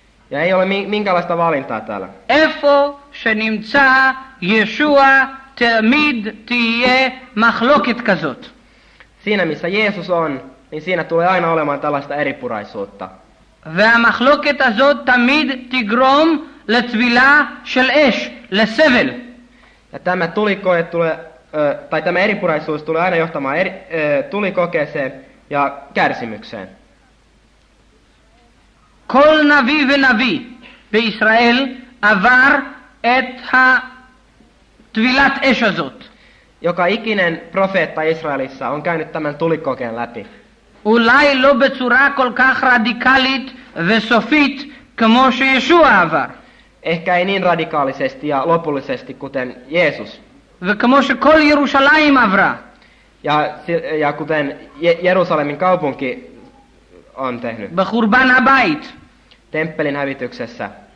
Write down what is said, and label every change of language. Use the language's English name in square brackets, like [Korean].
[Finnish] Ja ei ole minkälaista valintaa täällä. [Hebrew] איפה שנמצא ישוע תמיד תהיה מחלוקת כזאת. [Finnish] Siinä missä Jeesus on, niin siinä tulee aina olemaan tällaista eripuraisuutta. [Hebrew] והמחלוקת הזאת תמיד תגרום לטבילה של אש, לסבל. [Finnish] Tämä tulikoe tulee, tai tämä eripuraisuus tulee aina johtamaan tulikokeeseen ja kärsimykseen. [Hebrew] כל נביא ונביא בישראל עבר את הטבילת אש הזאת. [Finnish] Joka ikinen profeetta Israelissa on käynyt tämän tulikokeen läpi. [Hebrew] אולי לא בצורה כל כך רדיקלית וסופית כמו שישוע עבר. [Finnish] Ehkä ei niin radikaalisesti ja lopullisesti kuten Jeesus. [Hebrew] וכמו שכל ירושלים עברה. [Finnish] Ja kuten Jerusalemin kaupunki on tehnyt. [Hebrew] בחורבן הבית. [Finnish] Temppelin hävityksessä.